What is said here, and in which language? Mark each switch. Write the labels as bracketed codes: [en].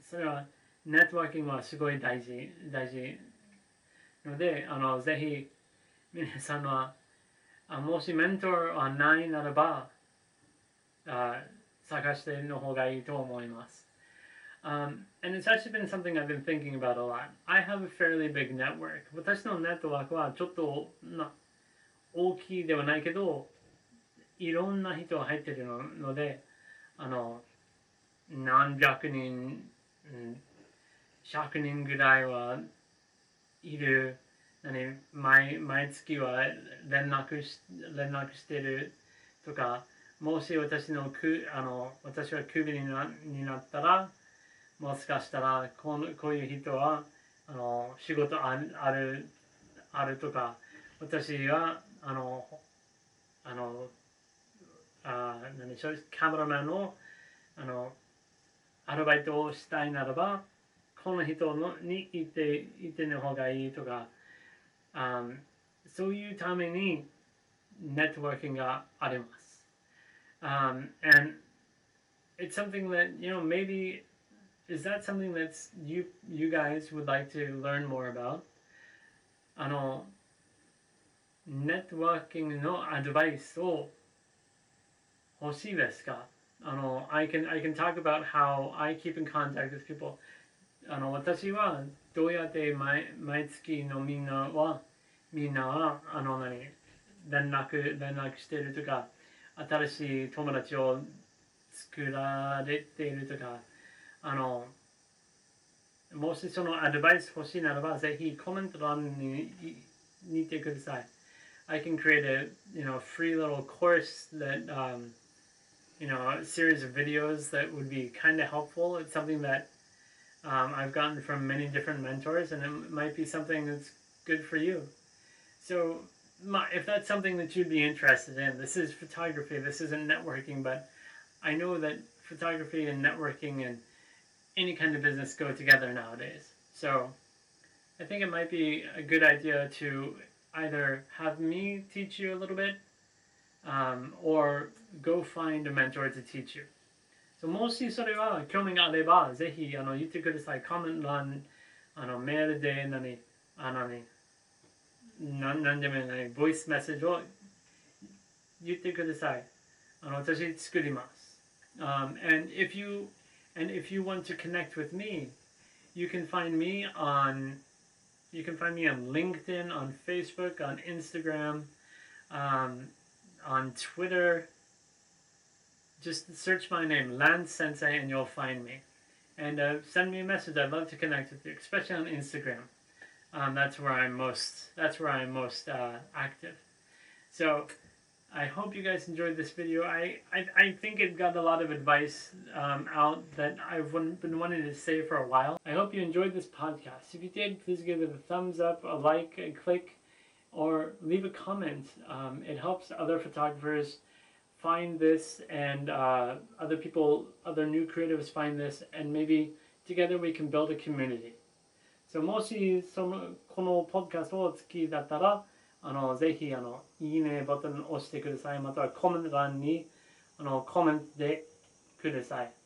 [ja] So, networking はすごい大事ので、あの、ぜひ皆さんは、もしメンターはないならば、探しての方がいいと思います。 [en] And it's actually been something I've been thinking about a lot. I have a fairly big network. [ja] 私のネットワークはちょっと大きいではないけど、いろんな人が入っているので、あの、何百人、100人ぐらいはいる。何、毎月は連絡してるとか、もし私のク、あの、私はクビになったら、もしかしたらこういう人はあの仕事あるとか、私はカメラマンのあのアルバイトをしたいならばこの人のに行っての方がいいとか、そういうためにネットワーキングがあります。 [en] And it's something that, you know, maybeIs that something that you guys would like to learn more about? [ja] あの、ネットワーキングのアドバイスを欲しいですか？ [en] あの、I can talk about how I keep in contact with people. [ja] あの、私はどうやって毎月のみんなはあの何、連絡しているとか、新しい友達を作られているとか、あの、もしそのアドバイス欲しいならば、ぜひコメント欄に見てください。 [en] I can create a, you know, free little course that, you know, a series of videos that would be kind of helpful. It's something that I've gotten from many different mentors, and it might be something that's good for you. So if that's something that you'd be interested in, this is photography, this isn't networking, but I know that photography and networking and any kind of business go together nowadays. So I think it might be a good idea to either have me teach you a little bit or go find a mentor to teach you. [ja] So もしそれは興味があれば、ぜひ言ってください。コメント欄、メールで何、何でもない、ボイスメッセージを言ってください。私作ります。 [en] And if you want to connect with me, you can find me on LinkedIn, on Facebook, on Instagram, on Twitter. Just search my name, Lance Sensei, and you'll find me. And send me a message. I'd love to connect with you, especially on Instagram. That's where I'm most active. So I hope you guys enjoyed this video. I think it got a lot of advice out that I've been wanting to say for a while. I hope you enjoyed this podcast. If you did, please give it a thumbs up, a like, a click, or leave a comment. It helps other photographers find this, and other new creatives find this, and maybe together we can build a community. [ja] So もしそのこのポッドキャストを好きだったら、ぜひいいねボタンを押してください。またはコメント欄にコメントでください。